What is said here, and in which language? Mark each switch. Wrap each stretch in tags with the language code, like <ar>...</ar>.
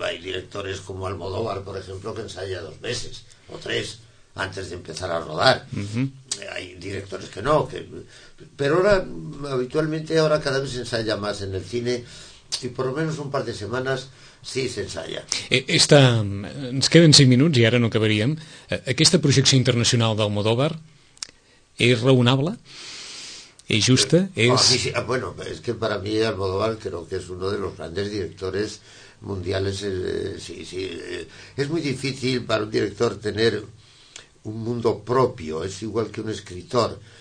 <es>Hay directores como Almodóvar, por ejemplo, que ensaya dos meses o tres antes de empezar a rodar. Uh-huh. Hay directores que no, que... Pero ahora, habitualmente, ahora cada vez se ensaya más en el cine, y por lo menos un par de semanas sí se ensaya.</es> <ca>Esta, ens queden 5 minuts i ara no acabaríem. Aquesta projecció internacional d'Almodóvar és raonable? És justa?</ca> <es>Bueno, es que para mí Almodóvar creo que es uno de los grandes directores mundiales. Es muy difícil para un director tener un mundo propio, es igual que un escritor.</es>